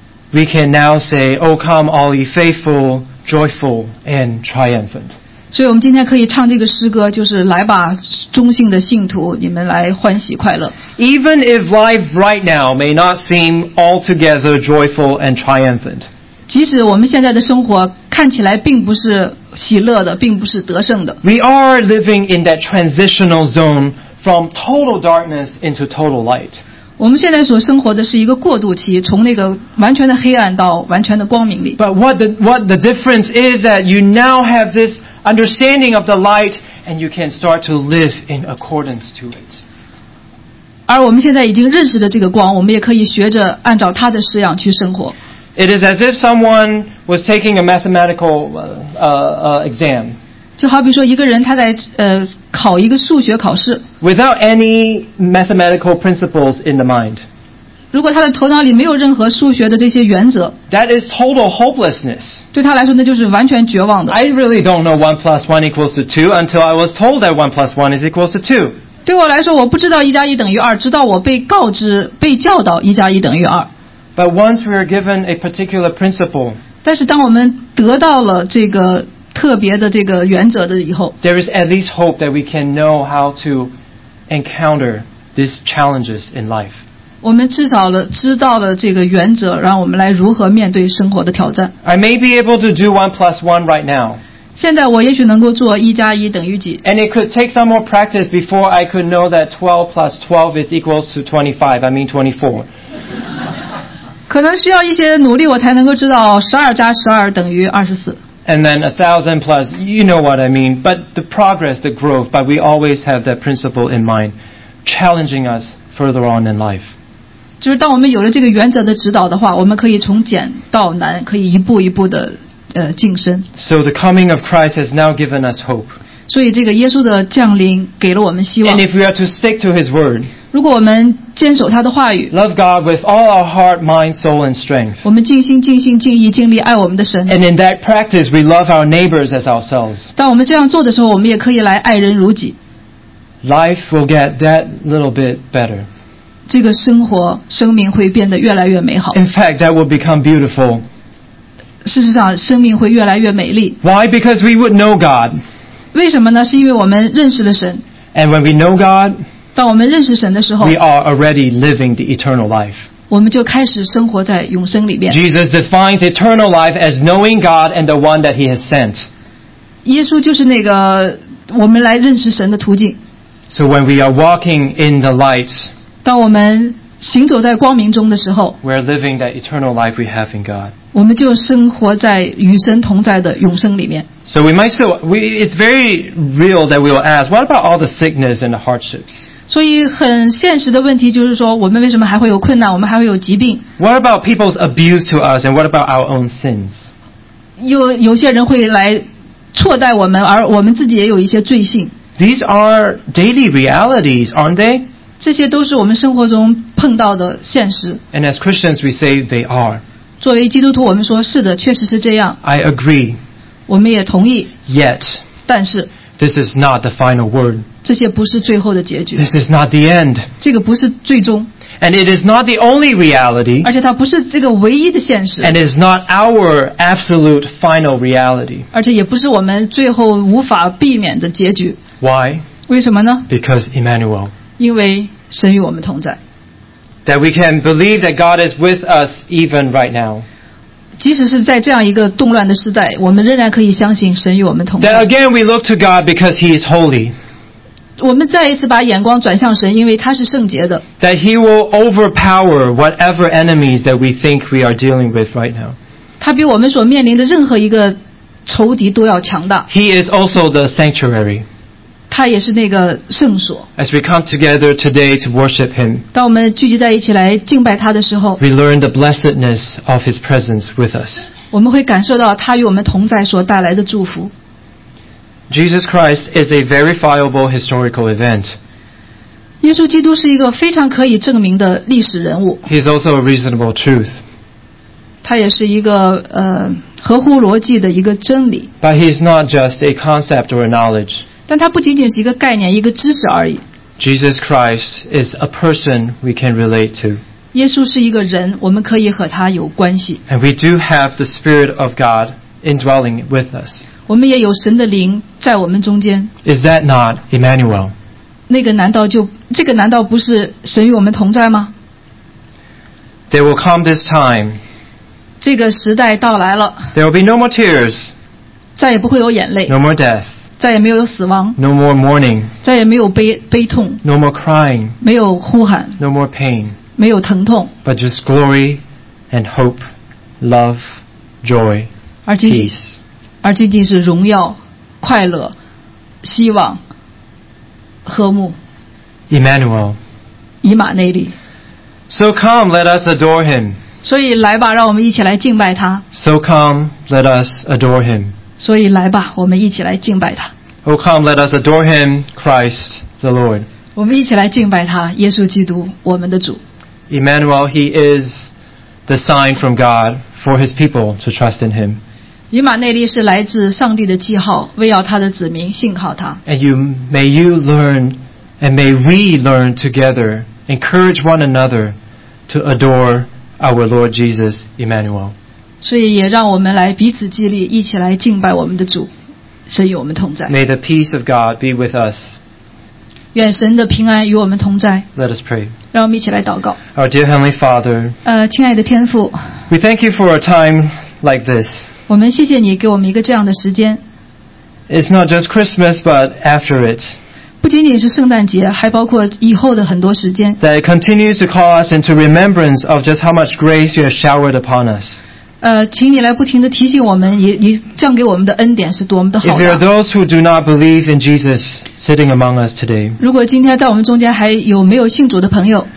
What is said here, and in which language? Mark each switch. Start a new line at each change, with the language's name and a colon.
English: We can now say, O come, all ye faithful, joyful, and triumphant.
Chinese: 所以我们今天可以唱这个诗歌，就是来吧，忠信的信徒，你们来欢喜快乐。
English: Even if life right now may not seem altogether joyful and triumphant.
Chinese: 即使我们现在的生活看起来并不是喜乐的，并不是得胜的。
English: We are living in that transitional zone from total darkness into total light.
Chinese: 我们现在所生活的是一个过渡期，从那个完全的黑暗到完全的光明里。
English: But what the difference is that you now have this understanding of the light and you can start to live in accordance to it.
Chinese: 而我们现在已经认识了这个光，我们也可以学着按照它的式样去生活。
English: It is as if someone was taking a mathematical exam.
Chinese: 就好比说一个人他在考一个数学考试。
English: Without any mathematical principles in the mind.
Chinese: 如果他的头脑里没有任何数学的这些原则。
English: That is total hopelessness.
Chinese: 对他来说那就是完全绝望的。
English: I really don't know 1 plus 1 equals to 2 until I was told that 1 plus 1 is equals to 2.
Chinese: 对我来说我不知道1加1等于2直到我被告知被教导1加1等于2。
English: But once we are given a particular principle,
Chinese: 但是当我们得到了这个特别的这个原则的以后
English: there is at least hope that we can know how to encounter these challenges in life.
Chinese: 我们至少了知道了这个原则，让我们来如何面对生活的挑战。
English: I may be able to do 1 plus 1 right now.
Chinese: 现在我也许能够做1加1等于几。
English: And it could take some more practice before I could know that 12 plus 12 is equal to 25, I mean 24.
Chinese: 可能需要一些努力我才能够知道12加12等于24
English: And then 1000 plus, you know what I mean. But the progress, the growth, but we always have that principle in mind, challenging us further on in life.
Chinese: 就是当我们有了这个原则的指导的话我们可以从简到难可以一步一步的晋升。
English: So the coming of Christ has now given us hope.
Chinese: 所以这个耶稣的降临给了我们希望。
English: And if we are to stick to his word,
Chinese: 如果我们坚守他的话语
English: Love God with all our heart, mind, soul, and strength.
Chinese: 我们尽心、尽心、尽意、尽力爱我们的神
English: And in that practice, we love our neighbors as ourselves.
Chinese: 当我们这样做的时候，我们也可以来爱人如己
English: Life will get that little bit better.
Chinese: 这个生活、生命会变得越来越美好
English: In fact, that will become beautiful.
Chinese: 事实上，生命会越来越美丽
English: Why? Because we would know God.
Chinese: 为什么呢？是因为我们认识了神
English: And when we know God,
Chinese: 当我们认识神的时候
English: We are already living the eternal life.
Chinese: 我们就开始生活在永生里面
English: Jesus defines eternal life as knowing God and the one that he has sent.
Chinese: 耶稣就是那个我们来认识神的途径
English: So when we are walking in the light,
Chinese: 当我们行走在光明中的时候
English: We are living that eternal life we have in God.
Chinese: 我们就生活在与神同在的永生里面
English: So we might say, it's very real that we will ask, what about all the sickness and the hardships?
Chinese: 所以很现实的问题就是说我们为什么还会有困难我们还会有疾病
English: What about people's abuse to us and what about our own sins?
Chinese: 有些人会来错待我们而我们自己也有一些罪性
English: These are daily realities, aren't they?
Chinese: 这些都是我们生活中碰到的现实
English: And as Christians we say they are
Chinese: 作为基督徒我们说是的确实是这样
English: I agree
Chinese: 我们也同意
English: Yet
Chinese: 但是
English: This is not the final word.
Chinese: 这些不是最后的结局。
English: This is not the end.
Chinese: 这个不是最终。
English: And it is not the only reality.
Chinese: 而且它不是这个唯一的现实。
English: And it is not our absolute final reality.
Chinese: 而且也不是我们最后无法避免的结局。
English: Why?
Chinese: 为什么呢?
English: Because Emmanuel.
Chinese: 因为神与我们同在。
English: That we can believe that God is with us even right now.
Chinese: 即使是在这样一个动乱的时代我们仍然可以相信神与我们同在
English: That again we look to God because he is holy
Chinese: 我们再一次把眼光转向神因为他是圣洁的
English: That he will overpower whatever enemies that we think we are dealing with right now
Chinese: 他比我们所面临的任何一个仇敌都要强大
English: He is also the sanctuary
Chinese: 他也是那个圣所
English: As we come together today to worship him
Chinese: 当我们聚集在一起来敬拜他的时候
English: We learn the blessedness of his presence with us
Chinese: 我们会感受到他与我们同在所带来的祝福
English: Jesus Christ is a verifiable historical event
Chinese: 耶稣基督是一个非常可以证明的历史人物。
English: He's also a reasonable truth.
Chinese: 他也是一个合乎逻辑的一个真理。
English: But he's not just a concept or a knowledge.
Chinese: 但他不仅仅是一个概念，一个知识而已。
English: Jesus Christ is a person we can relate to.
Chinese: 耶稣是一个人，我们可以和他有关系。
English: And we do have the Spirit of God indwelling with us.
Chinese: 我们也有神的灵在我们中间。
English: Is that not Emmanuel?
Chinese: 那个难道就这个难道不是神与我们同在吗？
English: There will come this time.
Chinese: 这个时代到来了。
English: There will be no more tears.
Chinese: 再也不会有眼泪。
English: No more death.
Chinese: 再也没有死亡。
English: No more mourning.
Chinese: 再也没有悲痛。
English: No more crying.
Chinese: 没有呼喊。
English: No more pain.
Chinese: 没有疼痛。
English: But just glory and hope, love, joy, peace.
Chinese: 而仅仅是荣耀、快乐、希望、和睦。
English: Emmanuel.
Chinese: 以马内利。
English: So come, let us adore him.
Chinese: 所以来吧，让我们一起来敬拜他。
English: So come, let us adore him.
Chinese: 所以来吧，我们一起来敬拜他。
English: O come, let us adore him, Christ the Lord.
Chinese: 我们一起来敬拜他，耶稣基督，我们的主。
English: Emmanuel, he is the sign from God for his people to trust in him.
Chinese: 以马内利是来自上帝的记号，为要他的子民信靠他。
English: And you, may you learn, and may we learn together, encourage one another to adore our Lord Jesus, Emmanuel.
Chinese: 所以也让我们来彼此激励，一起来敬拜我们的主，神与我们同在。
English: May the peace of God be with us.
Chinese: 愿神的平安与我们同在。
English: Let us pray.
Chinese: 让我们一起来祷告。
English: Our dear Heavenly Father.
Chinese: 亲爱的天父。
English: We thank you for a time like this.
Chinese: 我们谢谢你给我们一个这样的时间。
English: It's not just Christmas, but after it.
Chinese: 不仅仅是圣诞节，还包括以后的很多时间。
English: That it continues to call us into remembrance of just how much grace you have showered upon us.
Chinese: 请你来不停地提醒我们 你降给我们的恩典是多么的好的。
English: If there are those who do not believe in Jesus sitting among us today,
Chinese: 如果今天在我们中间还有没有信主的朋友